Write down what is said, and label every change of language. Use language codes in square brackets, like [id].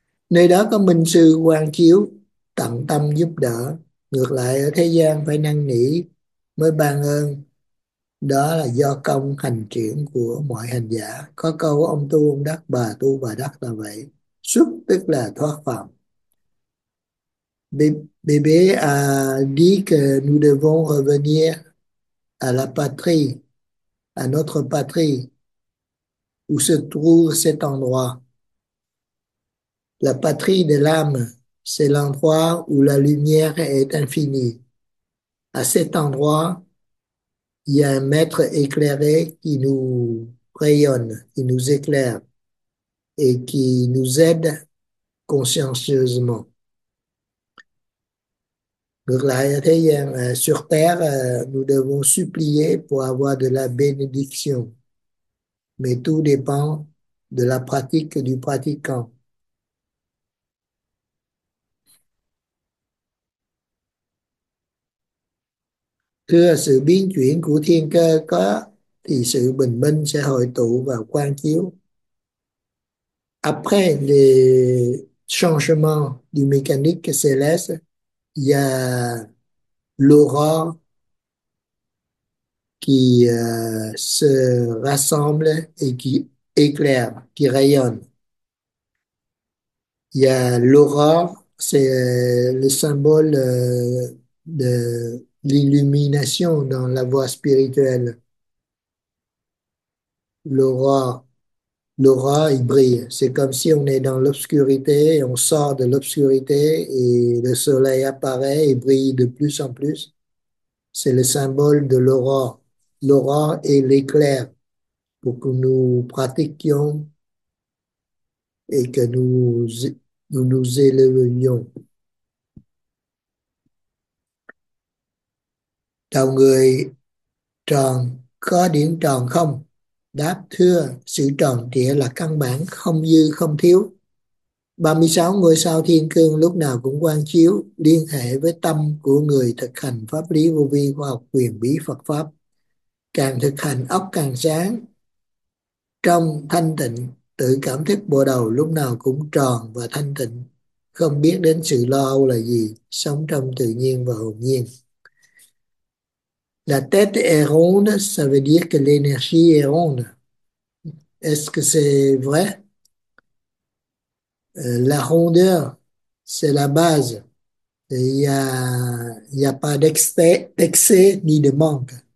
[vi] Nơi đó có minh sư quang chiếu tận tâm giúp đỡ. Ngược lại ở thế gian phải năn nỉ mới ban ơn, đó là do công hành triển của mọi hành giả. Có câu ông tu ông đắc, bà tu bà đắc là vậy. Xuất tức là thoát phạm. [fr] Bébé a dit que nous devons revenir à la patrie, à notre patrie, où se trouve cet endroit. La patrie de l'âme, c'est l'endroit où la lumière est infinie. À cet endroit, il y a un maître éclairé qui nous rayonne, qui nous éclaire et qui nous aide consciencieusement. [vi] Ngược lại, ở thế gian, [fr] sur terre, nous devons supplier pour avoir de la bénédiction. Mais tout dépend de la pratique du pratiquant. [vi] Thưa, sự biến chuyển của thiên cơ có thì sự bình minh sẽ hội tụ vào quang chiếu. [fr] Après les changements du mécanique céleste, il y a l'aurore qui se rassemble et qui éclaire, qui rayonne. Il y a l'aurore, c'est le symbole de l'illumination dans la voie spirituelle. L'aurore, il brille. C'est comme si on est dans l'obscurité, on sort de l'obscurité et le soleil apparaît et brille de plus en plus. C'est le symbole de l'aurore. L'aurore est l'éclair pour que nous pratiquions et que nous élevions. [vi] Đầu người tròn có điểm tròn không? Đáp: thưa, sự tròn trịa là căn bản không dư không thiếu. 36 ngôi sao thiên cương lúc nào cũng quang chiếu, liên hệ với tâm của người thực hành pháp lý vô vi khoa học quyền bí Phật Pháp. Càng thực hành óc càng sáng, trong thanh tịnh, tự cảm thức bộ đầu lúc nào cũng tròn và thanh tịnh, không biết đến sự lo âu là gì, sống trong tự nhiên và hồn nhiên. [fr] La tête est ronde, ça veut dire que l'énergie est ronde. Est-ce que c'est vrai? La rondeur, c'est la base. Il y a pas d'excès ni de manque.